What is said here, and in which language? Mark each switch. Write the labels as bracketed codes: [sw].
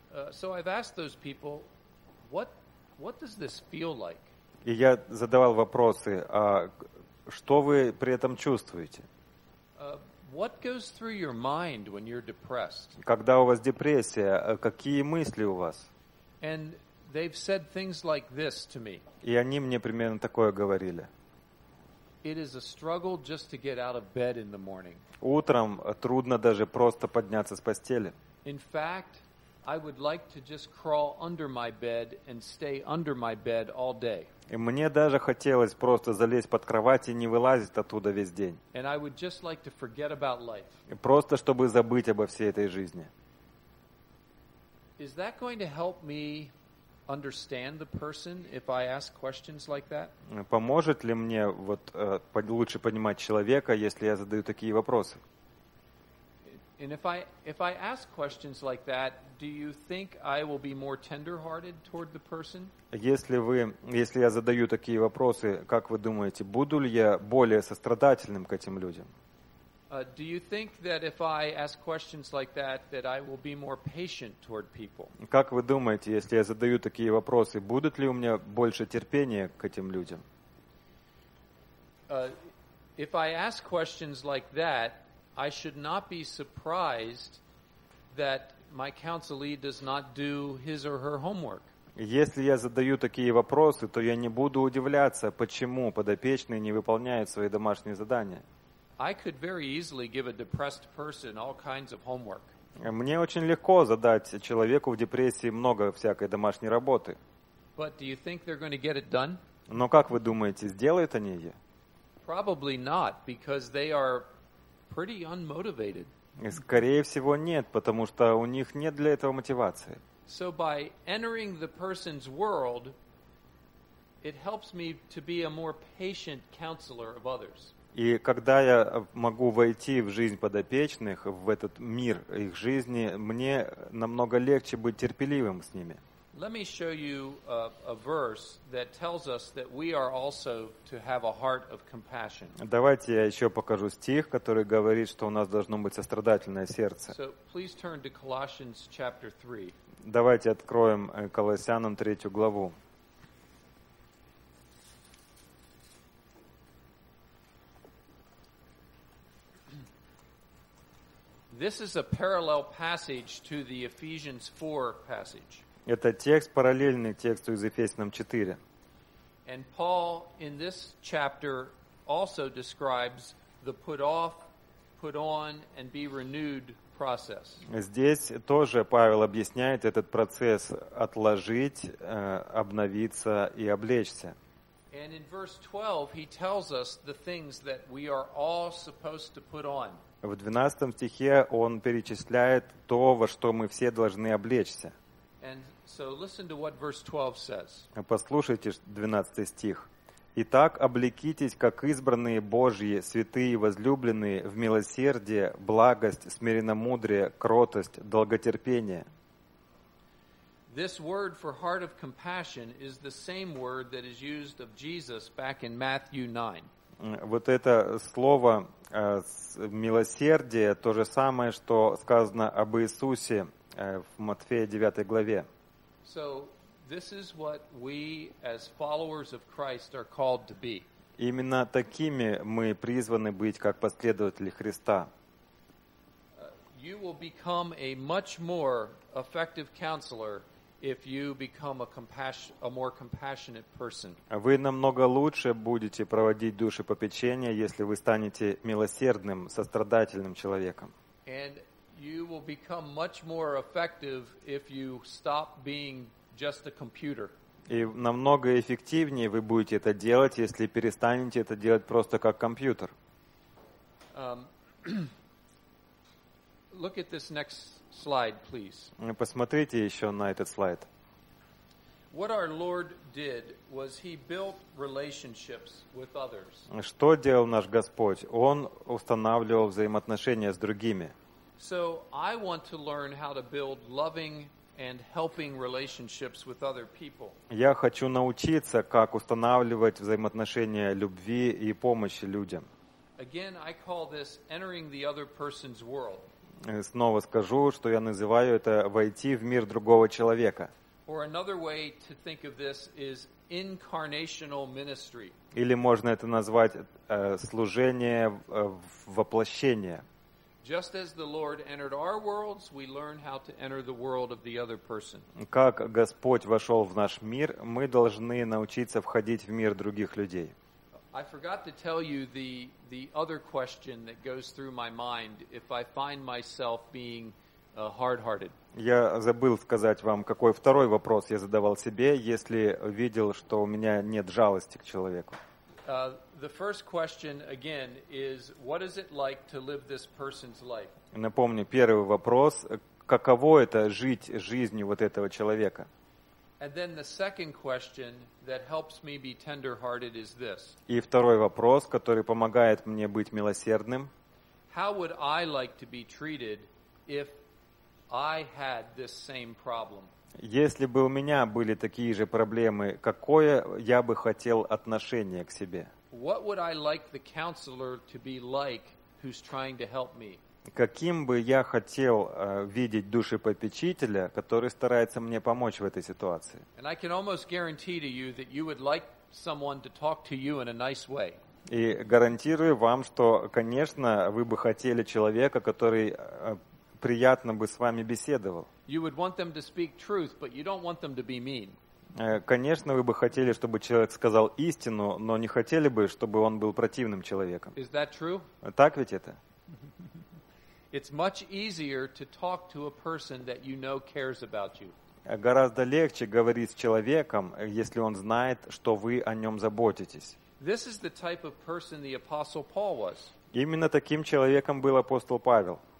[en] So I've asked those people, what does this feel like? [ru] И я задавал вопросы, а что вы при этом чувствуете? [en] What goes through your mind when you're depressed? [ru] Когда у вас депрессия, какие мысли у вас? [en] And they've said things like this to me. [ru] И они мне примерно такое говорили. [en] It is a struggle just to get out of bed in the morning. [ru] Утром трудно даже просто подняться с постели. [en] In fact, I would like to just crawl under my bed and stay under my bed all day. [ru] И мне даже хотелось просто залезть под кровать и не вылазить оттуда весь день. [en] Like [ru] и просто, чтобы забыть обо всей этой жизни. [en] Is that going to help me understand the person if I ask questions like that? [ru] Поможет ли мне вот лучше понимать человека, если я задаю такие вопросы? [en] And if I ask questions like that, do you think I will be more tender-hearted toward the person? [ru] Если я задаю такие вопросы, как вы думаете, буду ли я более сострадательным к этим людям? [en] Do you think that if I ask questions like that, that I will be more patient toward people? [ru] Как вы думаете, если я задаю такие вопросы, будет ли у меня больше терпения к этим людям? [en] If I ask questions like that, I should not be surprised that my counselee does not do his or her homework. [ru] Если я задаю такие вопросы, то я не буду удивляться, почему подопечные не выполняют свои домашние задания. [en] I could very easily give a depressed person all kinds of homework. [ru] Мне очень легко задать человеку в депрессии много всякой домашней работы. [en] But do you think they're going to get it done? [ru] Но как вы думаете, сделают они ее? [en] Probably not, because they are pretty unmotivated. [ru] Скорее всего, нет, потому что у них нет для этого мотивации. [en] So by entering the person's world, it helps me to be a more patient counselor of others. [ru] И когда я могу войти в жизнь подопечных, в этот мир их жизни, мне намного легче быть терпеливым с ними. [en] Let me show you a verse that tells us that we are also to have a heart of compassion. [ru] Давайте я еще покажу стих, который говорит, что у нас должно быть сострадательное сердце. [en] So please turn to Colossians chapter 3. [ru] Давайте откроем Колоссянам 3 главу. [en] This is a parallel passage to the Ephesians 4 passage. [ru] Это текст, параллельный тексту из Ефесянам 4. [en] And Paul in this chapter also describes the put off, put on, and be renewed process. [ru] Здесь тоже Павел объясняет этот процесс отложить, обновиться и облечься. [en] And in verse 12 he tells us the things that we are all supposed to put on. [ru] В 12 стихе он перечисляет то, во что мы все должны облечься. [en] And so listen to what verse 12 says. [ru] Послушайте 12 стих. Итак, облекитесь, как избранные Божьи, святые и возлюбленные, в милосердие, благость, смиренномудрие, кротость, долготерпение. [en] This word for heart of compassion is the same word that is used of Jesus back in Matthew 9. [ru] Вот это слово милосердие то же самое, что сказано об Иисусе в Матфея 9 главе. [en] So this is what we as followers of Christ are called to be. [ru] Именно такими мы призваны быть как последователи Христа. [en] You will become a much more effective counselor if you become a more compassionate person. [ru] Вы намного лучше будете проводить душепопечение, если вы станете милосердным, сострадательным человеком. [en] And you will become much more effective if you stop being just a computer. [ru] И намного эффективнее вы будете это делать, если перестанете это делать просто как компьютер. [en] Look at this next slide, please. [ru] Посмотрите еще на этот слайд. [en] What our Lord did was he built relationships with others. [ru] Что делал наш Господь? Он устанавливал взаимоотношения с другими. [en] So I want to learn how to build loving and helping relationships with other people. [ru] Я хочу научиться, как устанавливать взаимоотношения любви и помощи людям. [en] Again, I call this entering the other person's world. [ru] Снова скажу, что я называю это войти в мир другого человека. [en] Or another way to think of this is incarnational ministry. [ru] Или можно это назвать служение воплощения. [en] Just as the Lord entered our worlds, we learn how to enter the world of the other person. [ru] Как Господь вошел в наш мир, мы должны научиться входить в мир других людей. [en] I forgot to tell you the other question that goes through my mind if I find myself being hard-hearted. [ru] Я забыл сказать вам, какой второй вопрос я задавал себе, если видел, что у меня нет жалости к человеку. [en] The first question again is, what is it like to live this person's life? [ru] Напомню, первый вопрос, каково это жить жизнью вот этого человека? [en] And then the second question that helps me be tender-hearted is this. [ru] И второй вопрос, который помогает мне быть милосердным. [en] How would I like to be treated if I had this same problem? [ru] Если бы у меня были такие же проблемы, какое я бы хотел отношение к себе? [en] What would I like the counselor to be like who's trying to help me? [ru] Каким бы я хотел видеть душепопечителя, который старается мне помочь в этой ситуации? [en] And I can almost guarantee to you that you would like someone to talk to you in a nice way. [ru] И гарантирую вам, что, конечно, вы бы хотели человека, который приятно бы с вами беседовал. [en] You would want them to speak truth, but you don't want them to be mean. [ru] Конечно, вы бы хотели, чтобы человек сказал истину, но не хотели бы, чтобы он был противным человеком. [en] Is that true? [ru] Так ведь это? [en] It's much easier to talk to a person that you know cares about you. [ru] Гораздо легче говорить с человеком, если он знает, что вы о нем заботитесь. [en] This is the type of person the Apostle Paul was. [ru] Именно таким человеком был апостол Павел.